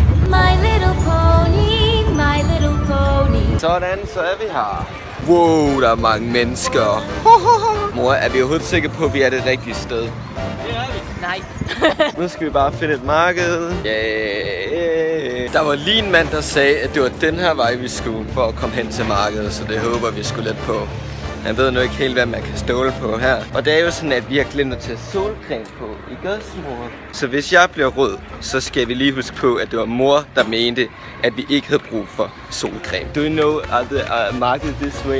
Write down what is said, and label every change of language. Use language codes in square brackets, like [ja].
[en] My little pony, my little pony. [da] Sådan, så er vi her. Wow, der er mange mennesker. Mor, er vi overhovedet sikre på, at vi er det rigtige sted? Det er vi. Nej. Nu skal vi bare finde et marked. Yeah. Der var lige en mand, der sagde, at det var den her vej, vi skulle for at komme hen til markedet. Så det håber vi sgu lidt på. Jeg ved nu ikke helt, hvad man kan stole på her. Og det er jo sådan, at vi har glemt at tage solcreme på i gods, mor. Så hvis jeg bliver rød, så skal vi lige huske på, at det var mor, der mente, at vi ikke havde brug for solcreme. [en] Do you know the market this way?